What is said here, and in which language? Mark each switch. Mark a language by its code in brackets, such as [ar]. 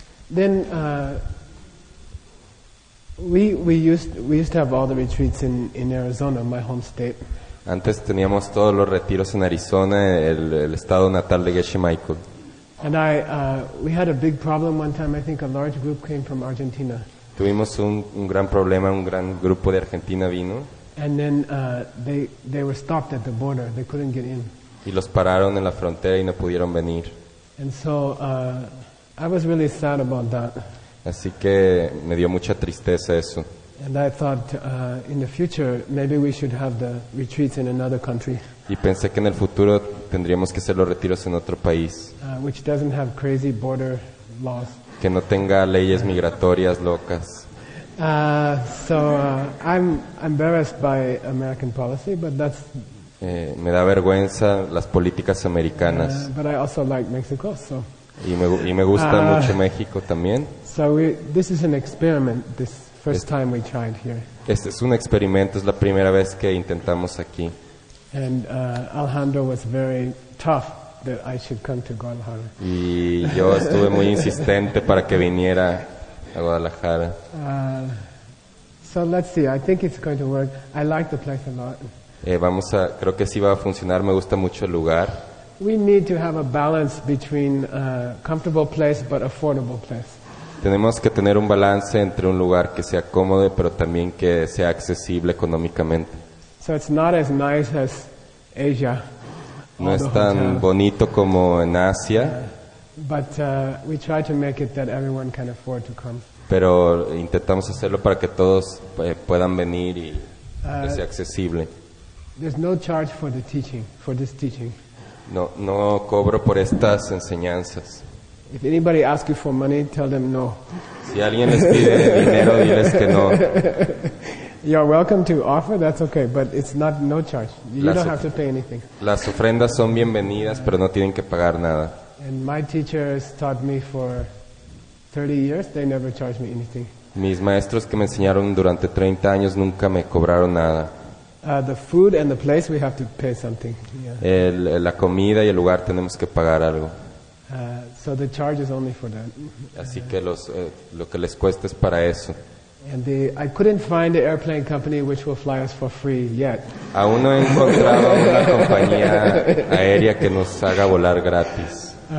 [en] Then we used to have all the retreats in Arizona, my home state. [es] Antes teníamos todos los retiros en Arizona, el estado natal de Geshe Michael. [en] And I we had a big problem one time. I think a large group came from Argentina. [es] Tuvimos un gran problema, un gran grupo de Argentina vino. [en] And then they were stopped at the border. They couldn't get in. [es] Y los pararon en la frontera y no pudieron venir. [en] And so, I was really sad about that. [es] Así que me dio mucha tristeza eso. [en] And I thought, in the future, maybe we should have the retreats in another country. [es] Y pensé que en el futuro tendríamos que hacer los retiros en otro país. [en] Which doesn't have crazy border laws. [es] Que no tenga leyes migratorias locas. [en] I'm embarrassed by American policy, but that's... [es] Me da vergüenza las políticas americanas. [en] But I also like Mexico, so. [es] Y me gusta mucho México también. [en] So this is an experiment. This first time we tried here. [es] Este es un experimento. Es la primera vez que intentamos aquí. [en] And Alejandro was very tough that I should come to Guadalajara. [es] Y yo estuve muy insistente para que viniera a Guadalajara. [en] So let's see. I think it's going to work. I like the place a lot. [es] Vamos a, creo que sí va a funcionar, me gusta mucho el lugar. [en] We need to have a balance between a comfortable place but affordable place. [es] Tenemos que tener un balance entre un lugar que sea cómodo pero también que sea accesible económicamente. [en] So it's not as nice as Asia. [es] No es tan bonito como en Asia. [en] But we try to make it that everyone can afford to come. [es] Pero intentamos hacerlo para que todos puedan venir y sea accesible. [en] There's no charge for the teaching, for this teaching. [es] No cobro por estas enseñanzas. [en] If anybody asks you for money, tell them no. [es] Si alguien les pide dinero, diles que no. [en] You're welcome to offer, that's okay, but it's not no charge. You don't have to pay anything. [es] Las ofrendas son bienvenidas, pero no tienen que pagar nada. [en] And my teachers taught me for 30 years, they never charged me anything. [es] Mis maestros que me enseñaron durante 30 años nunca me cobraron nada. [en] The food and the place, we have to pay something. Yeah. [es] La comida y el lugar tenemos que pagar algo. [en] So the charge is only for that. [es] Así que lo que les cuesta es para eso. [en] And I couldn't find the airplane company which will fly us for free yet. [es] Aún no he encontrado una compañía aérea que nos haga volar gratis.